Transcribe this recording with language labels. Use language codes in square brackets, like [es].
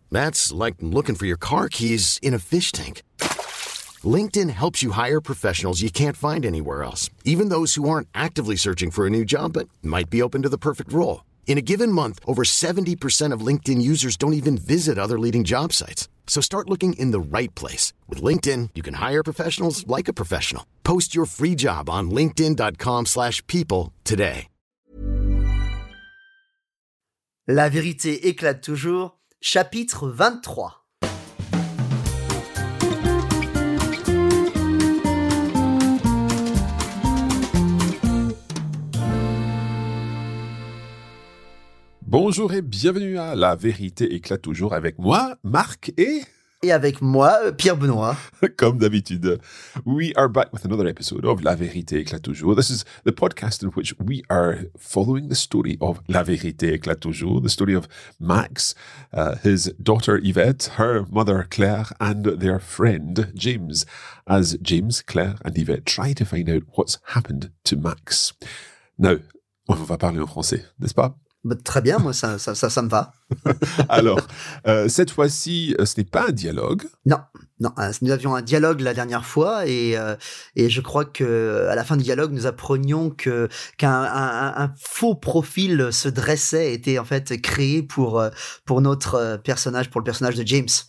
[en] That's like looking for your car keys in a fish tank. LinkedIn helps you hire professionals you can't find anywhere else, even those who aren't actively searching for a new job but might be open to the perfect role. In a given month, over 70% of LinkedIn users don't even visit other leading job sites. So start looking in the right place. With LinkedIn, you can hire professionals like a professional. Post your free job on linkedin.com/people today. [fr] La vérité éclate toujours, chapitre 23. Bonjour et bienvenue à La vérité éclate toujours avec moi, Marc, et... Et avec moi, Pierre Benoît. Comme d'habitude. [en] We are back with another episode of La vérité éclate toujours. This is the podcast in which we are following the story of La vérité éclate toujours, the story of Max, his daughter Yvette, her mother Claire, and their friend James, as James, Claire, and Yvette try to find out what's happened to Max. [fr] Now, on va parler en français, n'est-ce pas? Bah, très bien, moi, ça me va. Alors, cette fois-ci, ce n'est pas un dialogue. Non, nous avions un dialogue la dernière fois et je crois qu'à la fin du dialogue, nous apprenions qu'un faux profil se dressait, était en fait créé pour notre personnage, pour le personnage de James.